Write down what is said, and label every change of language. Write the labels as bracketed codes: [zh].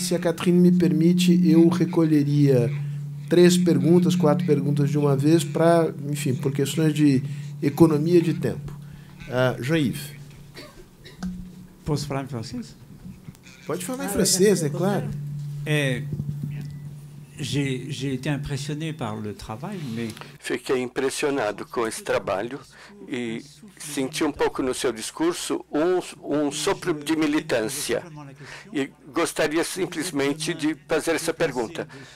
[pt] Se a Catherine me permite, eu recolheria três perguntas, quatro perguntas de uma vez, para, enfim, por questões de economia de tempo. Jean-Yves. Posso falar em francês? Pode falar em francês, é claro. [fr] J'ai été impressionné par le travail, mais... [pt] Fiquei impressionado com esse trabalho e senti um pouco no seu discurso um sopro de militância. E gostaria simplesmente de fazer essa pergunta.